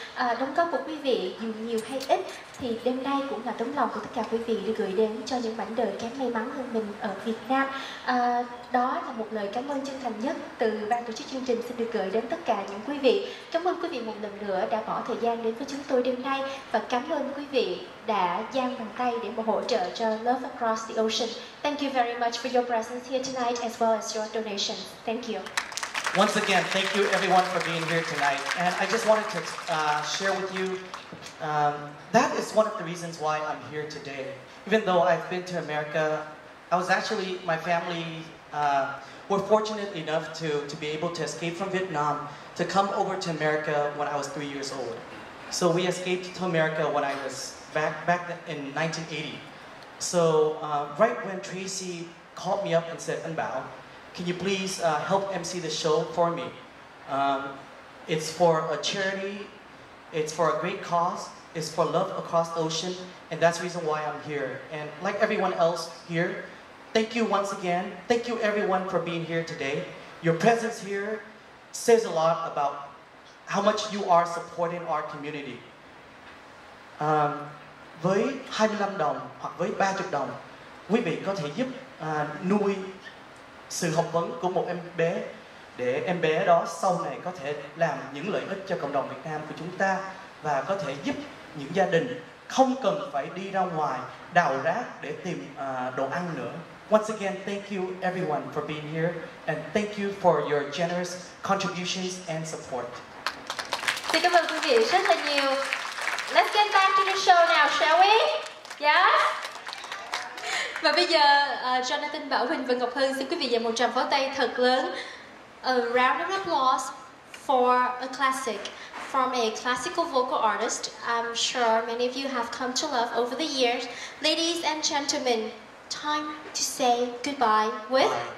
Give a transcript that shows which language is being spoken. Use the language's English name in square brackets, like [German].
[Vietnamese] Đóng góp của quý vị dù nhiều hay ít thì đêm nay cũng là tấm lòng của tất cả quý vị để gửi đến cho những mảnh đời kém may mắn hơn mình ở Việt Nam. Đó là một lời cảm ơn chân thành nhất từ ban tổ chức chương trình xin được gửi đến tất cả những quý vị. Cảm ơn quý vị một lần nữa đã bỏ thời gian đến với chúng tôi đêm nay và cảm ơn quý vị đã giang bàn tay để hỗ trợ cho Love Across the Ocean. [English] Thank you very much for your presence here tonight as well as your donation. Thank you. Once again, thank you everyone for being here tonight. And I just wanted to share with you, that is one of the reasons why I'm here today. Even though I've been to America, I was actually, my family were fortunate enough to be able to escape from Vietnam to come over to America when I was 3 years old. So we escaped to America when I was back in 1980. So right when Tracy called me up and said, "An Bao, can you please help MC the show for me? It's for a charity, it's for a great cause, it's for Love Across the Ocean, and that's the reason why I'm here." And like everyone else here, thank you once again. Thank you everyone for being here today. Your presence here says a lot about how much you are supporting our community. [Vietnamese] Với 25 đồng hoặc với 30 đồng, quý vị có thể giúp nuôi sự học vấn của một em bé để em bé đó sau này có thể làm những lợi ích cho cộng đồng Việt Nam của chúng ta và có thể giúp những gia đình không cần phải đi ra ngoài đào rác để tìm đồ ăn nữa. [English] Once again, thank you everyone for being here and thank you for your generous contributions and support. [Vietnamese] Xin cảm ơn quý vị rất là nhiều. [English] Let's get back to the show now, shall we? Yeah? [Vietnamese] Và bây giờ, Jonathan Bảo Huỳnh và Ngọc Hân xin quý vị dành một tràng pháo tay thật lớn. [English] A round of applause for a classic. from a classical vocal artist I'm sure many of you have come to love over the years. Ladies and gentlemen, time to say goodbye with